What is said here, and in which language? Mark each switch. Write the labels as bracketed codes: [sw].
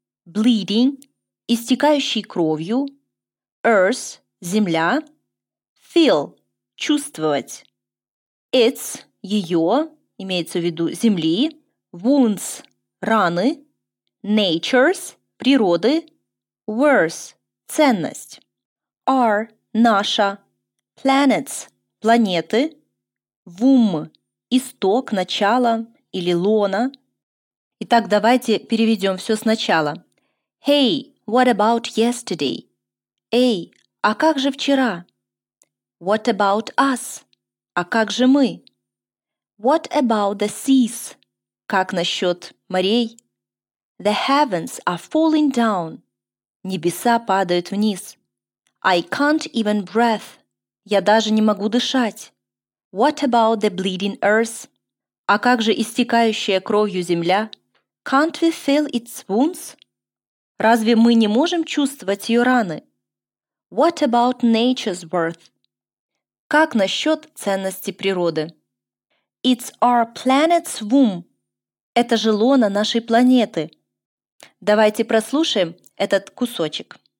[ru] Bleeding – истекающий кровью. Earth – земля, feel – чувствовать, its – ее, имеется в виду земли, wounds – раны, nature's – природы, worth – ценность, are – наша, planets – планеты, womb – исток, начало или лона. Итак, давайте переведем все сначала. [en] Hey, what about yesterday? [ru] Эй, а как же вчера? [en] What about us? [ru] А как же мы? [en] What about the seas? [ru] Как насчет морей? [en] The heavens are falling down. [ru] Небеса падают вниз. [en] I can't even breath. [ru] Я даже не могу дышать. [en] What about the bleeding earth? [ru] А как же истекающая кровью земля? [en] Can't we feel its wounds? [ru] Разве мы не можем чувствовать ее раны? [en] What about nature's worth? [ru] Как насчет ценности природы? [en] It's our planet's womb. [ru] Это же лоно нашей планеты. Давайте прослушаем этот кусочек.